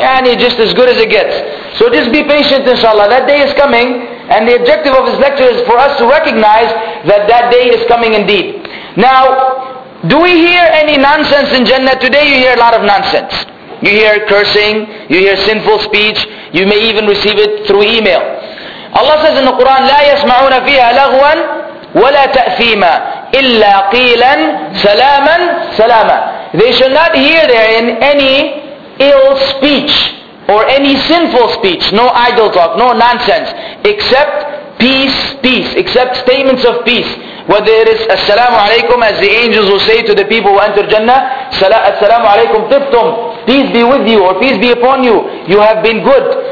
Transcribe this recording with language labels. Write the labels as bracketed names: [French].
[English] Yani just as good as it gets. So just be patient, inshallah. That day is coming. And the objective of this lecture is for us to recognize that that day is coming indeed. Now, do we hear any nonsense in Jannah? Today you hear a lot of nonsense. You hear cursing, you hear sinful speech, you may even receive it through email. Allah says in the Quran, [Arabic] لَا يَسْمَعُونَ فِيهَا لَغْوًا وَلَا تَأْثِيمًا إِلَّا قِيلًا سَلَامًا سَلَامًا. [English] They shall not hear therein any ill speech or any sinful speech, no idle talk, no nonsense, except peace, peace, except statements of peace. Whether it is assalamu alaykum, as the angels will say to the people who enter Jannah, [Arabic] assalamu alaykum tibtum, [English] peace be with you, or peace be upon you, you have been good.